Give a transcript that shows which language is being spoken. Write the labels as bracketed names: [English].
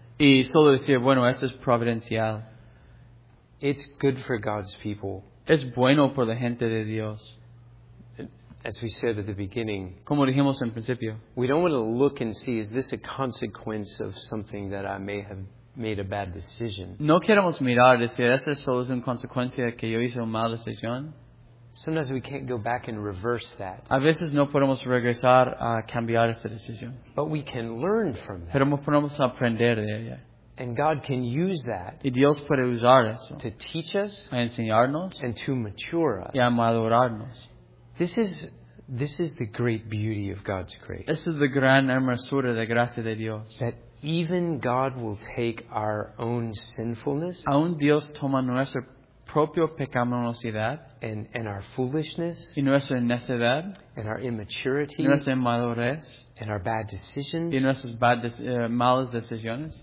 [Spanish] Y solo decir, bueno, esto es providencial. [English] It's good for God's people. [Spanish] Es bueno por la gente de Dios. [English] As we said at the beginning, [Spanish] como dijimos en principio, [English] we don't want to look and see, is this a consequence of something that I may have made a bad decision? [Spanish] No queremos mirar y decir, ¿esto solo es una consecuencia que yo hice una mala decisión? [English] Sometimes we can't go back and reverse that. [Spanish] A veces no podemos regresar a cambiar esa decisión. [English] But we can learn from that. [Spanish] Pero podemos aprender de ella. [English] And God can use that [Spanish] Dios puede usar eso [English] to teach us [Spanish] enseñarnos [English] and to mature us. [Spanish] Y a madurarnos. [English] This is the great beauty of God's grace. [Spanish] Esa es la gran hermosura de gracia de Dios. [English] That even God will take our own sinfulness, [Spanish] aún Dios toma nuestra propia pecaminosidad [English] and our foolishness, [Spanish] y nuestra necedad, [English] and our immaturity, [Spanish] y nuestra inmadurez, [English] and our bad decisions, [Spanish] y nuestras malas decisiones,